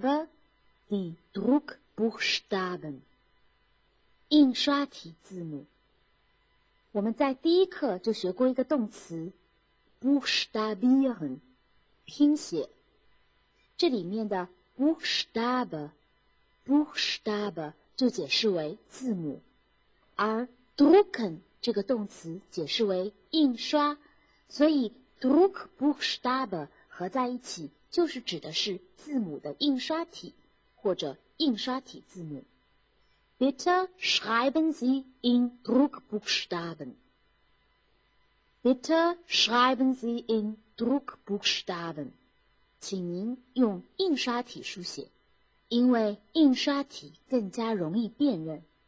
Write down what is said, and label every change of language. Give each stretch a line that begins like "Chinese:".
German: Der Druckbuchstabe, die Druckbuchstaben.
Chinese: 印刷体字母。我们在第一课就学过一个动词
German: Buchstabieren
Chinese: 拼写，这里面的 Buchstabe 就解释为字母，而 Drucken 这个动词解释为印刷，所以 Druckbuchstabe 合在一起就是指的是字母的印刷体或者印刷体字母。
German: Bitte schreiben Sie in Druckbuchstaben. Bitte schreiben Sie in Druckbuchstaben.
Chinese: 请您用印刷体书写，因为印刷体更加容易辨认。